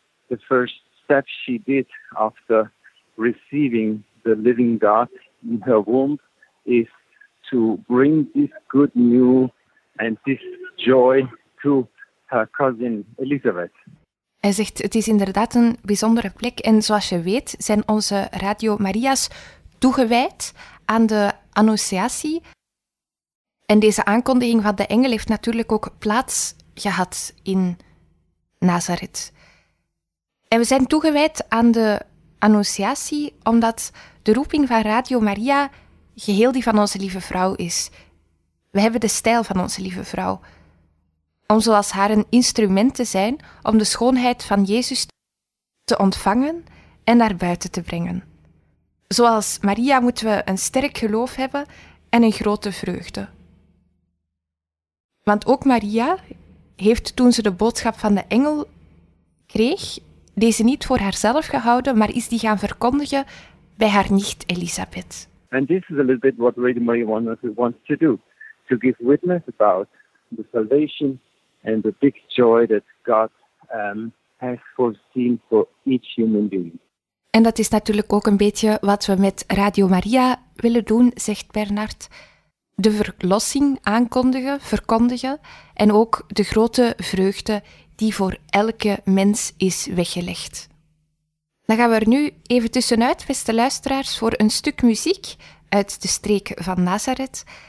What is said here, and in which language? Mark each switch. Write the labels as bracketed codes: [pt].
[en] The first step she did after receiving the living God in her womb is to bring this good news and this joy to her cousin Elisabeth. [nl] Hij zegt, het is inderdaad een bijzondere plek. En zoals je weet, zijn onze Radio Maria's toegewijd aan de Annunciatie. En deze aankondiging van de engel heeft natuurlijk ook plaats gehad in Nazareth. En we zijn toegewijd aan de Annunciatie, omdat de roeping van Radio Maria geheel die van Onze Lieve Vrouw is. We hebben de stijl van Onze Lieve Vrouw, om zoals haar een instrument te zijn om de schoonheid van Jezus te ontvangen en naar buiten te brengen. Zoals Maria moeten we een sterk geloof hebben en een grote vreugde. Want ook Maria heeft, toen ze de boodschap van de engel kreeg, deze niet voor haarzelf gehouden, maar is die gaan verkondigen bij haar nicht Elisabeth. [en] And this is a little bit what Radio Maria wants to do, to give witness about the salvation and the big joy that God has foreseen for each human being. [nl] En dat is natuurlijk ook een beetje wat we met Radio Maria willen doen, zegt Bernard. De verlossing aankondigen, verkondigen, en ook de grote vreugde die voor elke mens is weggelegd. Dan gaan we er nu even tussenuit, beste luisteraars, voor een stuk muziek uit de streek van Nazareth.